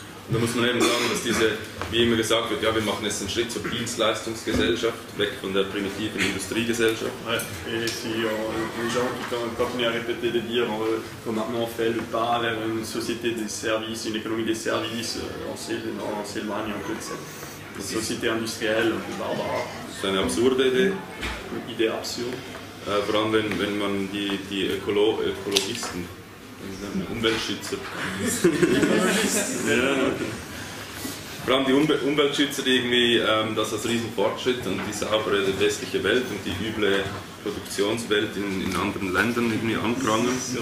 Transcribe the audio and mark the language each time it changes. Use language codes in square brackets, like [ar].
[de] Da muss man eben sagen, dass diese, wie immer gesagt wird, ja, wir machen jetzt einen Schritt zur Dienstleistungsgesellschaft, weg von der primitiven Industriegesellschaft. [fr] Et si les gens qui continuent à répéter de dire que maintenant on fait le pas vers une société des services, une économie des services, on s'éloigne un peu de cette société industrielle, un peu barbare. C'est une absurde idée. Une idée absurde. [de] Vor allem, wenn man die Ökologisten. Umweltschützer. Vor allem die Umweltschützer, die irgendwie das als Riesenfortschritt und die saubere westliche Welt und die üble Produktionswelt in anderen Ländern irgendwie anprangern.